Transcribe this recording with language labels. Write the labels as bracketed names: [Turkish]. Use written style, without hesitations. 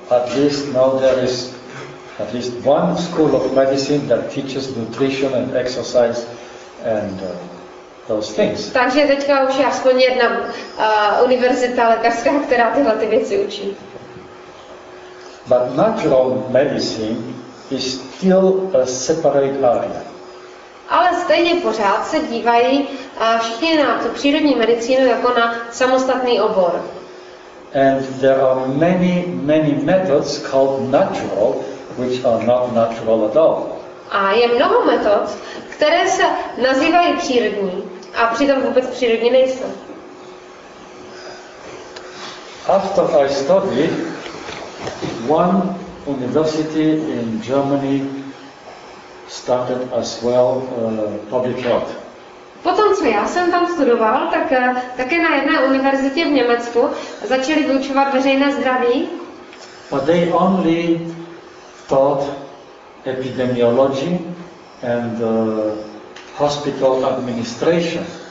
[English] At least now there is at least one school of medicine that teaches nutrition and exercise and those things. [Czech] Takže teďka už je aspoň jedna univerzita lékařská, která tyhle ty věci učí. [English] But natural medicine is still a separate area. [Czech] Ale stejně pořád se dívají všichni na tu přírodní medicínu jako na samostatný obor. [English] And there are many, many methods called natural, which are not natural at all. [Czech] A je mnoho metod, které se nazývají přírodní a přitom vůbec přírodní nejsou. [English] After I studied one university in Germany started as well public health. [Czech] Potom co já jsem tam studoval, tak také na jedné univerzitě v Německu začali vyučovat veřejné zdraví. [English] But they only taught epidemiology and hospital administration.